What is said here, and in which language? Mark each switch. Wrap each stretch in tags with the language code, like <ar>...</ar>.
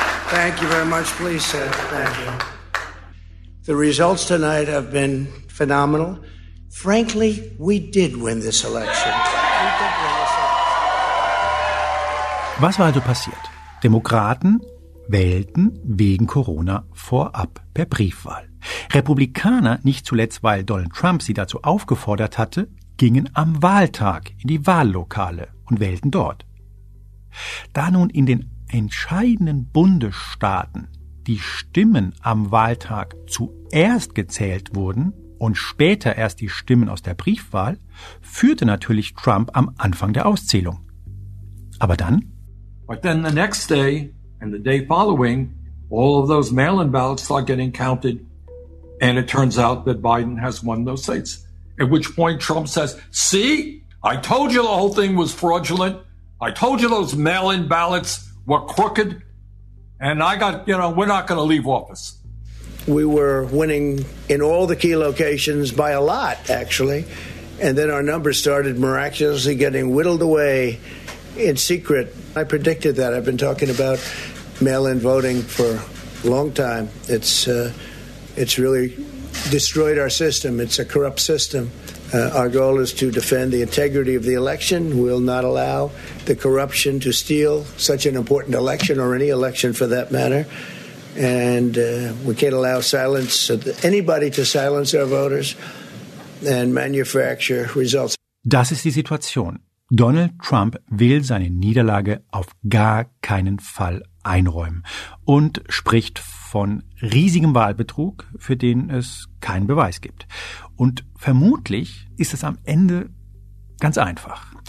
<en>Thank you very much. Please sit. Thank you. The results tonight have been phenomenal. Frankly, we did win this election.</en> <de>Was war also passiert? Demokraten wählten wegen Corona vorab per Briefwahl. Republikaner, nicht zuletzt weil Donald Trump sie dazu aufgefordert hatte, gingen am Wahltag in die Wahllokale und wählten dort. Da nun in den entscheidenden Bundesstaaten die Stimmen am Wahltag zuerst gezählt wurden und später erst die Stimmen aus der Briefwahl, führte natürlich Trump am Anfang der Auszählung. Aber dann?</de> <en>But then the next day and the day following, all of those mail-in ballots start getting counted and it turns out that Biden has won those states. At which point Trump says, see, I told you the whole thing was fraudulent. I told you those mail-in ballots were crooked. And I got, you know, we're not going to leave office. We were winning in all the key locations by a lot, actually. And then our numbers started miraculously getting whittled away in secret. I predicted that. I've been talking about mail-in voting for a long time. It's really destroyed our system. It's a corrupt system. Our goal is to defend the integrity of the election. We'll not allow the corruption to steal such an important election or any election for that matter. And we can't allow silence, anybody to silence our voters and manufacture results.</en> <de>Das ist die Situation. Donald Trump will seine Niederlage auf gar keinen Fall einräumen und spricht von riesigem Wahlbetrug, für den es keinen Beweis gibt. Und vermutlich ist es am Ende ganz einfach.</de>